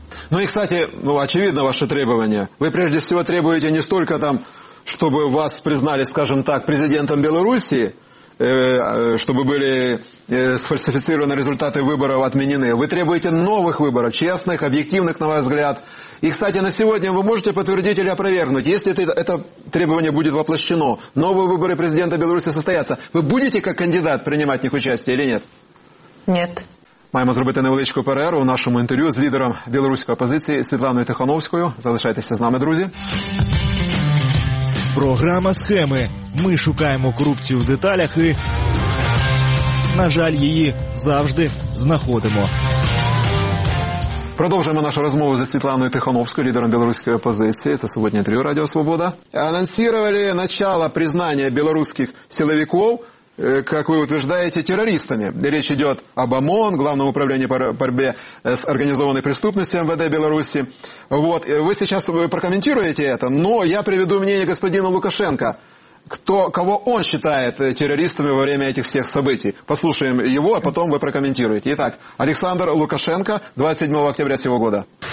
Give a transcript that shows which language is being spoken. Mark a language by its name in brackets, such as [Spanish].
[Russian] Ну и, кстати, очевидно, ваши требования. Вы, прежде всего, требуете не столько там, чтобы вас признали, скажем так, президентом Белоруссии, чтобы были сфальсифицированы результаты выборов, отменены. Вы требуете новых выборов, честных, объективных, на ваш взгляд. И, кстати, на сегодня вы можете подтвердить или опровергнуть, если это требование будет воплощено, новые выборы президента Беларуси состоятся, вы будете как кандидат принимать в них участие или нет? Нет. [Ukrainian] Маємо зробити невеличку перерву в нашому інтерв'ю з лідером білоруської опозиції Світланою Тихановською. Залишайтеся з нами, друзі. Програма «Схеми». Ми шукаємо корупцію в деталях і, на жаль, її завжди знаходимо. Продовжуємо нашу розмову зі Світланою Тихановською, лідером білоруської опозиції. Це сьогодні інтерв'ю «Радіо Свобода». Анонсували начало признання білоруських силовиків, [Russian] как вы утверждаете, террористами. Речь идет об ОМОН, Главном управлении по борьбе с организованной преступностью МВД Беларуси. Вот. Вы сейчас прокомментируете это, но я приведу мнение господина Лукашенко, кого он считает террористами во время этих всех событий. Послушаем его, а потом вы прокомментируете. Итак, Александр Лукашенко, 27 октября сего года.